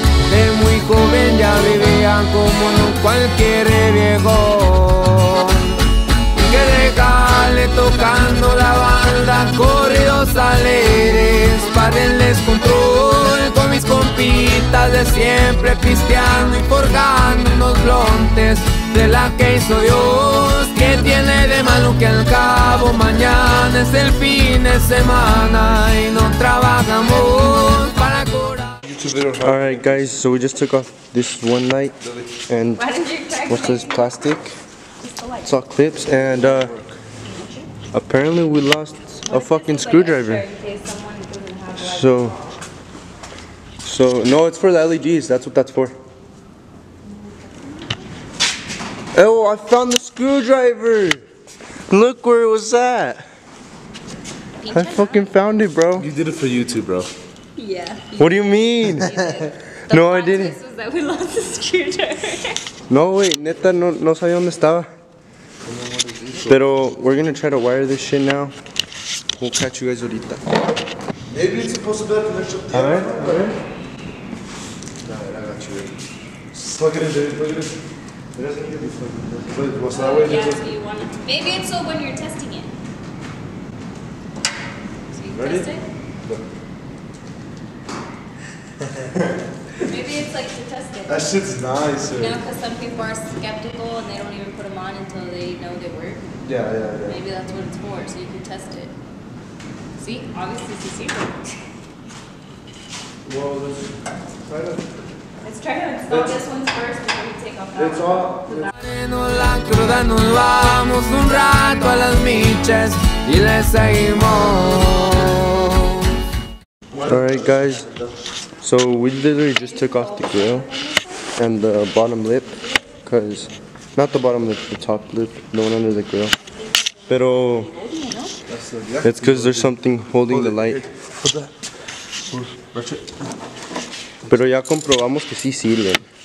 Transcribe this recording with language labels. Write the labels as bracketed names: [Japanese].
[Spanish] De muy joven ya vivía como no cualquier viejo, que déjale tocando la banda, corridos alegres, párenles control con mis compitas de siempre, pisteando y forjando unos blontes de la que hizo Dios. Que tiene de malo que al cabo mañana es el fin de semana y no trabajamos para cobrar. [English] Alright guys, so we just took off this one light and what's this plastic? Saw clips and apparently we lost a fucking screwdriver. So no, it's for the LEDs. That's what that's for. Oh, I found the screwdriver. Look where it was at. I fucking found it, bro. You did it for YouTube, bro. Yeah. What do you mean? No, I didn't. That we lost the screwdriver. No, wait, [Spanish] neta, no sabía dónde estaba. [English] But we're gonna try to wire this shit now. We'll catch you guys ahorita. Maybe it's supposed to be a commercial. Alright, alright. Nah, I got you. Plug it in. Yeah, when you're testing it. Maybe it's like to test it. That shit's nice. You know, because some people are skeptical and they don't even put them on until they know they work. Yeah. Maybe that's what it's for, so you can test it. See? Obviously, it's a secret. Well, let's try to. Let's try to install this one first before we take off that. It's all. [Spanish] La cruda, nos vamos un rato a las miches y le seguimos. [English] Alright, guys. So we literally just took off the grill and the bottom lip, cause not the bottom lip, the top lip, the one under the grill. Pero it's cause there's something holding the light. [Spanish] Pero ya comprobamos que sí sirve.